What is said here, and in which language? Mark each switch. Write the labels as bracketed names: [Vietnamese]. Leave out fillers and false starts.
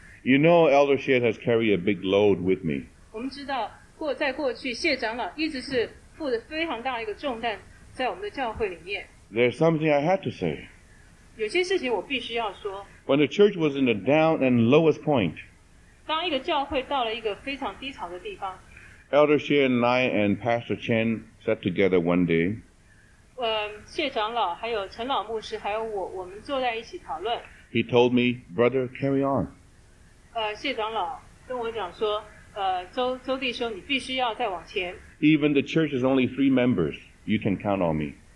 [English] You know, Elder Shed has carried a big load with me. [Chinese] 我们知道，在过去谢长老一直是负着非常大一个重担在我们的教会里面。 [English] There's something I had to say. [Chinese] 有些事情我必须要说。 [English] When the church was in the down and lowest point, [Chinese] 当一个教会到了一个非常低潮的地方, [English] Elder Shed and I and Pastor Chen sat together one day. [Chinese] 谢长老还有陈老牧师还有我，我们坐在一起讨论。 [English] He told me, "Brother, carry on." [Chinese] 谢长老跟我讲说，周弟兄，你必须要再往前。 [English] Even the church is only 3 members, you can count on me.